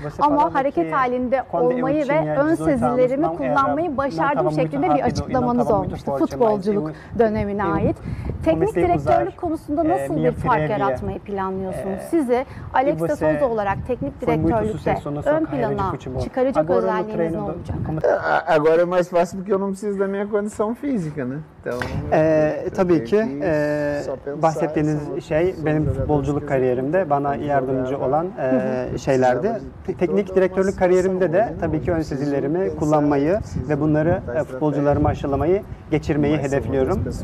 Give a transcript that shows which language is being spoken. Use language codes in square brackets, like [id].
[tr] Ama hareket halinde olmayı ve ön sezilerimi kullanmayı başardım şeklinde bir açıklamanız olmuştu futbolculuk dönemine ait. Teknik direktörlük konusunda nasıl bir fark yaratmayı planlıyorsunuz? Sizi Alex de Souza olarak teknik direktörlükte ön plana çıkaracak özelliğiniz ne olacak? [pt] Agora é mais fácil porque eu não preciso da minha condição física, né? [tr] Tabii ki bahsettiğiniz şey benim futbolculuk kariyerimde bana yardımcı olan şeylerdi. Teknik direktörlük kariyerimde de tabii ki ön sezilerimi kullanmayı ve bunları futbolcularıma aşılamayı, geçirmeyi hedefliyorum.